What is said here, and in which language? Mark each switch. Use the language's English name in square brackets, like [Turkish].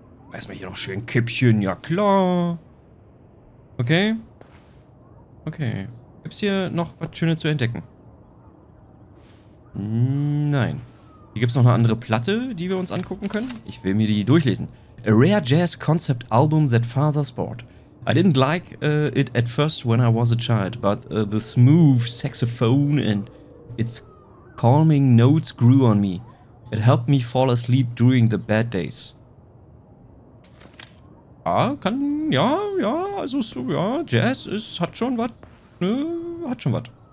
[German] Erstmal hier noch schön Kippchen, ja klar. Okay. Okay. Gibt's hier noch was Schönes zu entdecken? Nein. Hier gibt's noch eine andere Platte, die wir uns angucken können. Ich will mir die durchlesen. [English] A rare jazz concept album that fathers bought. I didn't like it at first when I was a child, but the smooth saxophone and its calming notes grew on me. It helped me fall asleep during the bad days. [German] Ah, kann, ja, ja, also so, ja, Jazz ist, hat schon was, ne, hat schon was.